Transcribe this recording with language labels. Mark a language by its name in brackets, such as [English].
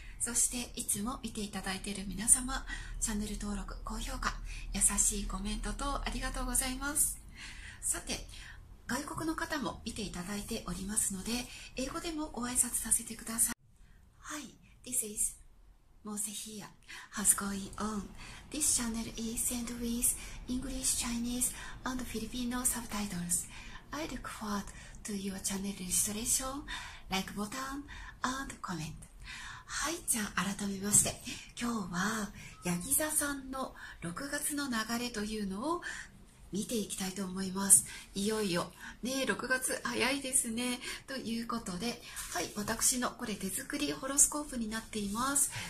[Japanese] そしていつも見ていただいている皆様、チャンネル登録、高評価、優しいコメント等ありがとうございます。さて、外国の方も見ていただいておりますので、英語でもご挨拶させてください。 [English] Hi, this is Mose here. How's going on? This channel is sent with English, Chinese, and Filipino subtitles. I look forward to your channel registration, like button and comment. [Japanese] はい、じゃあ改めまして、今日はヤギ座さんの6月の流れというのを見ていきたいと思います。いよいよね、6月早いですね。ということで、はい、私のこれ手作りホロスコープになっています。